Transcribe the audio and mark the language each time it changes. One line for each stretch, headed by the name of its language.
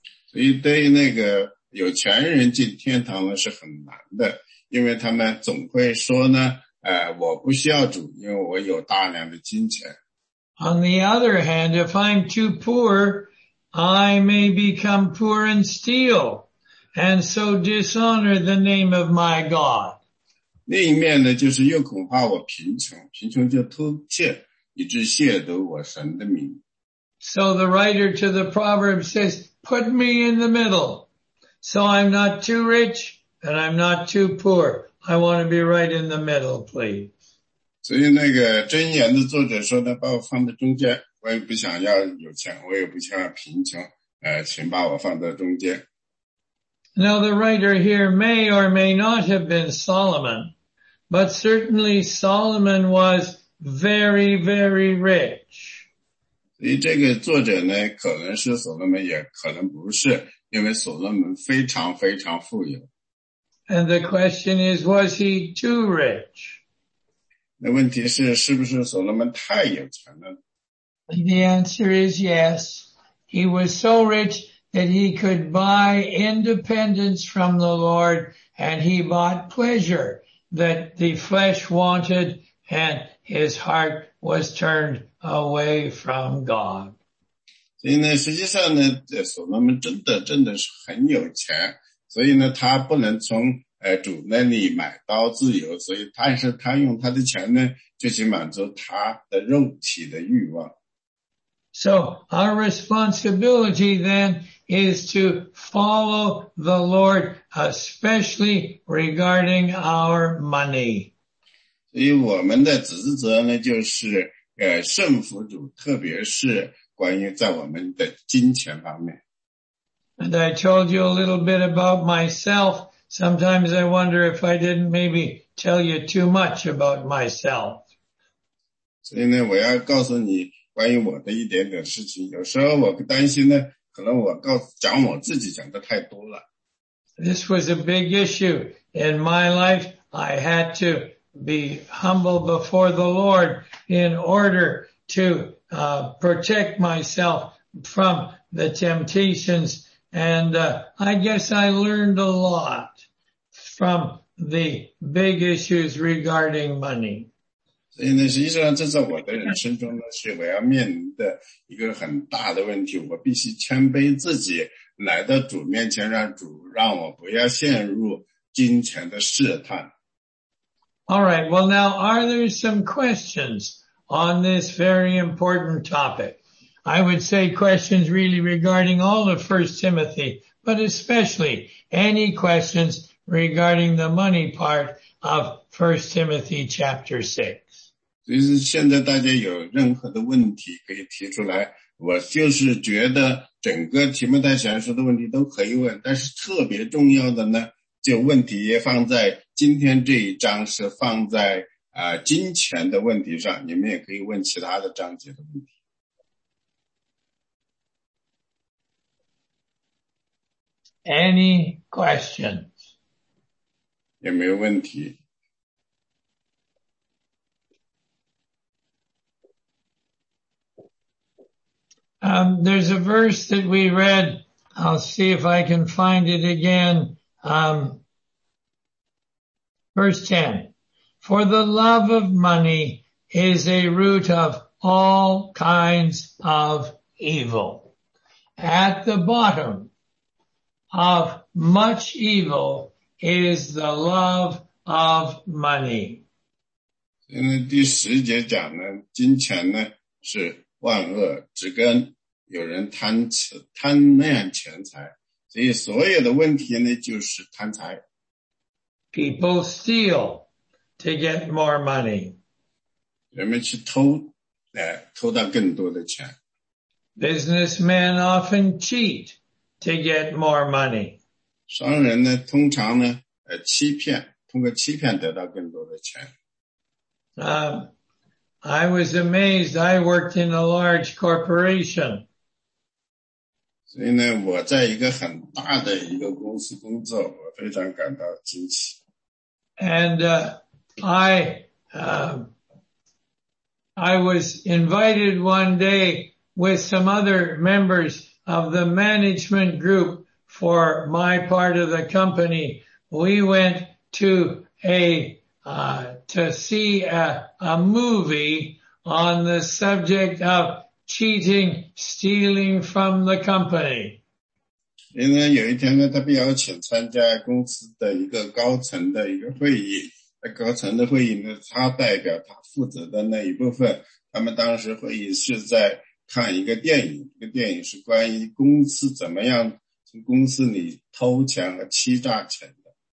Chinese: 所以对那个有钱人进天堂呢是很难的，因为他们总会说呢，我不需要主，因为我有大量的金钱。
English: On the other hand, if I'm too poor, I may become poor and steal. And so dishonor the name of my God.
Chinese: 另一面呢，就是又恐怕我贫穷，贫穷就偷窃，以致亵渎我神的名。
English: So the writer to the Proverbs says, put me in the middle. So I'm not too rich and I'm not too poor. I want to be right in the middle, please.
Chinese: 所以那个箴言的作者说呢，把我放在中间，我也不想要有钱，我也不想要贫穷，请把我放在中间。
English: Now the writer here may or may not have been Solomon, but certainly Solomon was very, very rich.
Chinese: 这个作者呢，可能是所罗门，也可能不是，因为所罗门非常非常富有。
English: And the question is, was he too rich?
Chinese: 那问题是，是不是所罗门太有钱了？
English: The answer is yes. He was so rich. That he could buy independence from the Lord and he bought pleasure that the flesh wanted and his heart was turned away from God.
Chinese: 所以呢实际上呢所罗门真的是很有钱所以呢他不能从主那里买到自由所以但是他用他的钱呢就去满足他的肉体的欲望。
English: So our responsibility then is to follow the Lord, especially regarding our money.
Chinese: 所以我们的职责呢就是顺服主特别是关于在我们的金钱方面。
English: And I told you a little bit about myself. Sometimes I wonder if I didn't maybe tell you too much about myself.
Chinese: 所以呢我要告诉你关于我的一点点事情有时候我担心呢可能我告诉讲我自己讲的太多了。
English: This was a big issue in my life. I had to be humble before the Lord in order to protect myself from the temptations. And I guess I learned a lot from the big issues regarding money.
Chinese: 所以呢，实际上这在我的人生中呢，是我要面临的一个很大的问题。我必须谦卑自己，来到主面前，让主让我不要陷入金钱的试探。
English: All right. Well, now are there some questions on this very important topic? I would say questions really regarding all of 1 Timothy, but especially any questions regarding the money part of 1 Timothy chapter 6.
Chinese: 所以现在大家有任何的问题可以提出来，我就是觉得整个提摩太前书的问题都可以问，但是特别重要的呢，就问题也放在今天这一章，是放在金钱的问题上，你们也可以问其他的章节的问题。
English: Any questions?
Chinese: 有没有问题？
English: There's a verse that we read. I'll see if I can find it again. Verse 10. For the love of money is a root of all kinds of evil. At the bottom of much evil is the love of money.
Chinese: 现在第十节讲呢，金钱呢是万恶之根，有人贪恋钱财，所以所有的问题呢就是贪财。
English: People steal to get more money.
Chinese: 人们去偷，来偷到更多的钱。
English: Businessmen often cheat to get more money.
Chinese: 商人呢，通常呢，欺骗，通过欺骗得到更多的钱。
English: I was amazed. I worked in a large corporation.
Chinese: 所以呢，我在一个很大的一个公司工作，我非常感到惊奇。
English: And I was invited one day with some other members of the management group for my part of the company. We went to see a movie on the subject of cheating, stealing from the company.
Chinese: 因为有一天呢，他被邀请参加公司的一个高层的一个会议。在高层的会议呢，他代表他负责的那一部分。他们当时会议是在看一个电影，这个电影是关于公司怎么样从公司里偷钱和欺诈钱的。